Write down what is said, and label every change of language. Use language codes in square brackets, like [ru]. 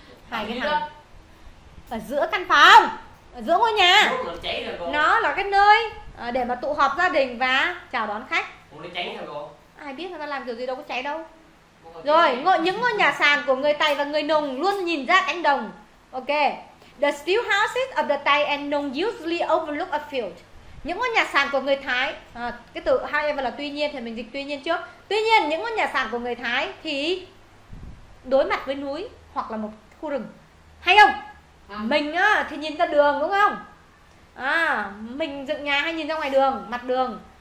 [vi] Hai cái thằng. Ở giữa căn phòng. Ở giữa ngôi nhà. Nó là cái nơi để mà tụ họp gia đình và chào đón khách. Ai biết người ta làm kiểu gì đâu có cháy đâu. Rồi, những ngôi nhà sàn của người Tây và người Nùng luôn nhìn ra cánh đồng. Ok. [en] The steel houses of the Tây and Nùng usually overlook a field. [vi] Những ngôi nhà sàn của người Thái, cái từ however là tuy nhiên thì mình dịch tuy nhiên trước. Tuy nhiên những ngôi nhà sàn của người Thái thì đối mặt với núi hoặc là một khu rừng. Hay không? Mình á thì nhìn ra đường đúng không? Mình dựng nhà hay nhìn ra ngoài đường, mặt đường.